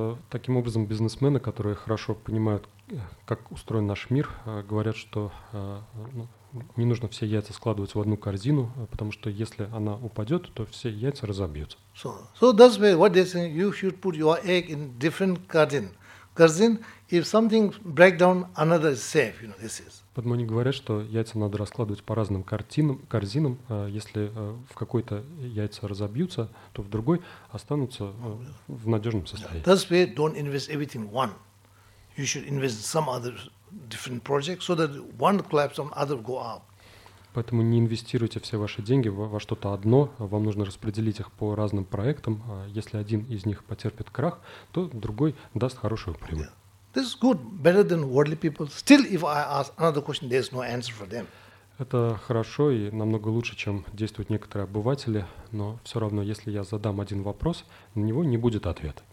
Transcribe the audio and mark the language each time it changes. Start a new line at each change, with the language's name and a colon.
Russian: Таким образом, бизнесмены, которые хорошо понимают, как устроен наш мир, говорят, что не нужно все яйца складывать в одну корзину, потому что если она упадет, то все яйца разобьются.
English: So that's why what they say, you should put your egg in different garden. Корзин, if something break down, another is safe, you know, this is.
Russian: Поэтому они говорят, что яйца надо раскладывать по разным корзинам. Если в какой-то яйца разобьются, то в другой останутся в надежном состоянии.
English: That's why don't invest everything in one. you should invest in some other different project so that one collapse on other go up.
Russian: Поэтому не инвестируйте все ваши деньги во что-то одно. Вам нужно распределить их по разным проектам. Если один из них потерпит крах, то другой даст хорошую прибыль.
English: Yeah. This is good, better than worldly people. Still, if I ask another question, there's no answer for them.
Russian: Это хорошо и намного лучше, чем действуют некоторые обыватели, но все равно, если я задам один вопрос, на него не будет ответа.